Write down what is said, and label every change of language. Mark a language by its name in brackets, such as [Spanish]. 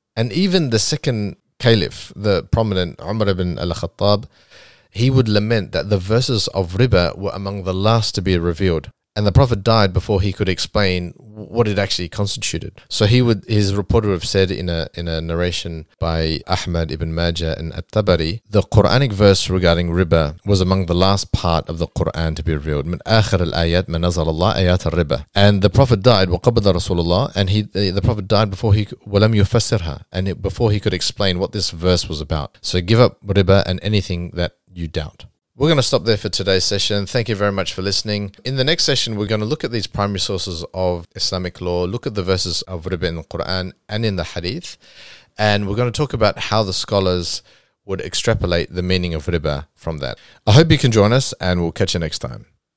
[English] And even the second caliph, the prominent Umar ibn al-Khattab, he would lament that the verses of riba were among the last to be revealed. And the Prophet died before he could explain what it actually constituted. So his reporter would have said in a narration by Ahmad ibn Majah and At-Tabari, the Quranic verse regarding riba was among the last part of the Quran to be revealed. [Arabic] من آخر الآيات ما نزل الله آيات الربا. [English] And the Prophet died, [Arabic] وقبض رسول الله, [English] and the Prophet died before he, [Arabic] ولم يفسرها, [English] and before he could explain what this verse was about. So give up riba and anything that you doubt. We're going to stop there for today's session. Thank you very much for listening. In the next session, we're going to look at these primary sources of Islamic law, look at the verses of riba in the Quran and in the hadith, and we're going to talk about how the scholars would extrapolate the meaning of riba from that. I hope you can join us, and we'll catch you next time.